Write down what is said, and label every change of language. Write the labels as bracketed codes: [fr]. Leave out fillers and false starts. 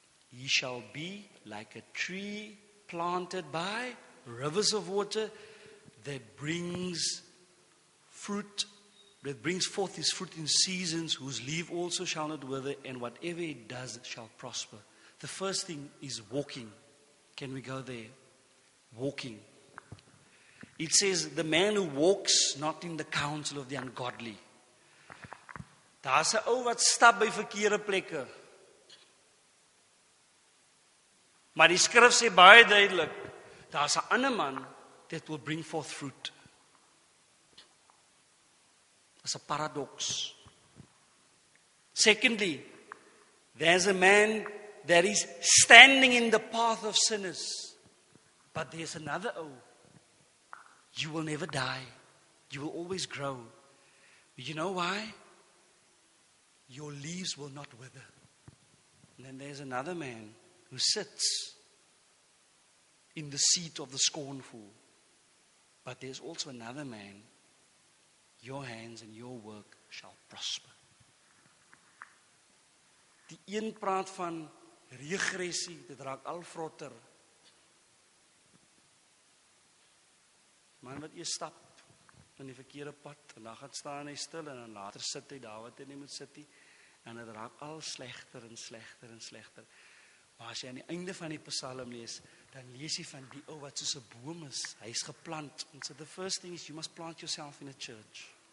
[en] He shall be like a tree planted by rivers of water that brings forth his fruit in seasons, whose leaf also shall not wither, and whatever it does shall prosper. The first thing is walking. Can we go there? Walking. It says, the man who walks not in the counsel of the ungodly. [af] Daar's 'n ou wat stap by verkeerde plekke. Maar die skrif sê baie duidelik, daar's 'n ander man [en] that will bring forth fruit. [af] Dit's 'n paradox. [en] Secondly, there's a man that is standing in the path of sinners, but there's another. You will never die. You will always grow. You know why? Your leaves will not wither. And then there's another man who sits in the seat of the scornful. But there's also another man, your hands and your work shall prosper. [af] Die een praat van regressie, dit raak al vrotter. Man wat jy stap in die verkeerde pad, en dan gaat staan hy stil, en dan later sit hy daar wat hy nie moet sit hy, en dit raak al slechter en slechter en slechter. Maar as jy aan die einde van die psalm lees, dan lees jy van die ou wat soos 'n boom is, hy is geplant. [en] And so the first thing is, you must plant yourself in a church.